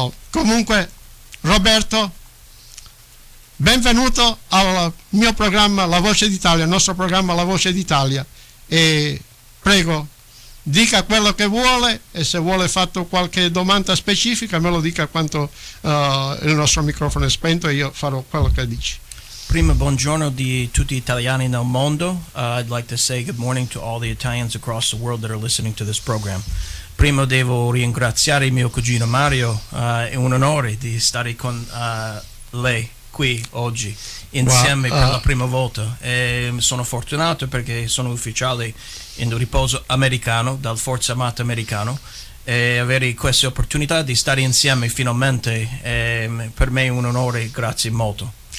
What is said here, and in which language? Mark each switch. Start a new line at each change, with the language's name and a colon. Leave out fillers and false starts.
Italian: Comunque, Roberto, benvenuto al mio programma La Voce d'Italia, il nostro programma La Voce d'Italia, e prego, dica quello che vuole, e se vuole fatto qualche domanda specifica me lo dica quando il nostro microfono è spento, e io farò quello che dici. Prima, buongiorno di tutti gli italiani nel mondo.
English: I'd like to say good morning to all the Italians across the world that are listening to this program.
Italian: Prima devo ringraziare mio cugino Mario, è un onore di stare con lei qui oggi insieme per la prima volta. E sono fortunato perché sono ufficiale in riposo americano, dal Forza Armata americano, e avere questa opportunità di stare insieme finalmente è per me un onore, grazie molto.